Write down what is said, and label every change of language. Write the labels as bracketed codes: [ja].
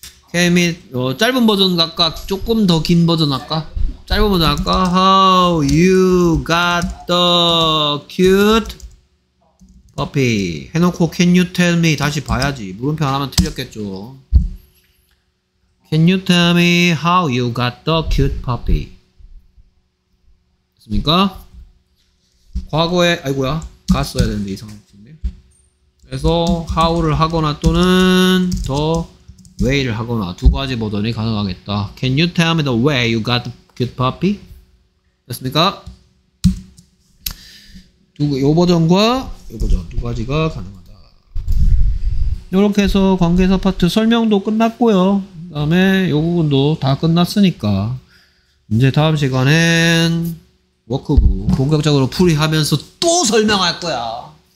[en] Can it, [ko] 짧은 버전 갈까? 조금 더 긴 버전 할까? 짧은 거 할까? [en] How you got the cute puppy? [ko] 해놓고 [en] can you tell me [ko] 다시 봐야지. 물음표 안 하면 틀렸겠죠. [en] Can you tell me how you got the cute puppy? [ko] 됐습니까? 과거에, 아이고야, 갔어야 되는데 이상한 느낌이네. 그래서 how를 하거나 또는 the way를 하거나 두 가지 버전이 가능하겠다. [en] Can you tell me the way you got the cute puppy? [ko] 됐습니까? 요 버전과 요 버전 두 가지가 가능하다. 요렇게 해서 관계사 파트 설명도 끝났고요. 그 다음에 요 부분도 다 끝났으니까 이제 다음 시간엔 워크북 본격적으로 풀이하면서 또 설명할 거야.